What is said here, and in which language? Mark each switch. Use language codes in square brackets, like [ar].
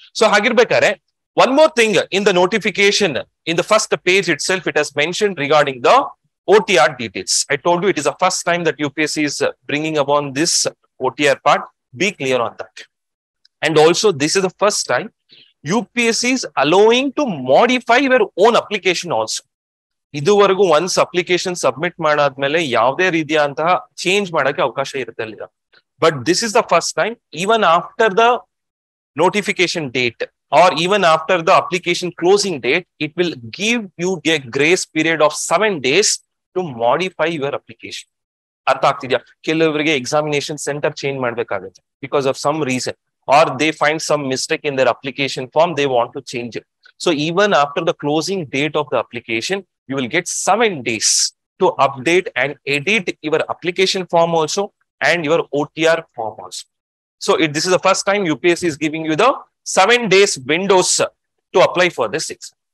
[en] So Hagirbekare, one more thing in the notification, in the first page itself, it has mentioned regarding the OTR details. I told you it is the first time that UPSC is bringing upon this OTR part. Be clear on that. And also, this is the first time UPSC is allowing to modify your own application also. [kn] ಇದುವರೆಗೂ once application submit ಮಾಡಾದ್ಮೇಲೆ ಯಾವುದೇ ರೀತಿಯ ಅಂತಹ change ಮಾಡೋಕೆ ಅವಕಾಶ ಇರುತ್ತಿಲ್ಲ. [en] But this is the first time even after the notification date or even after the application closing date it will give you a grace period of 7 days to modify your application. [kn] ಅರ್ಥ ಆಗ್ತಿದ್ಯಾ? ಕೆಲವರಿಗೆ examination centre change ಮಾಡಬೇಕಾಗುತ್ತೆ [en] Because of some reason or they find some mistake in their application form they want to change it. So even after the closing date of the application you will get 7 days to update and edit your application form also and your OTR form also. So it, this is the first time UPSC is giving you the 7 days windows to apply for this exam.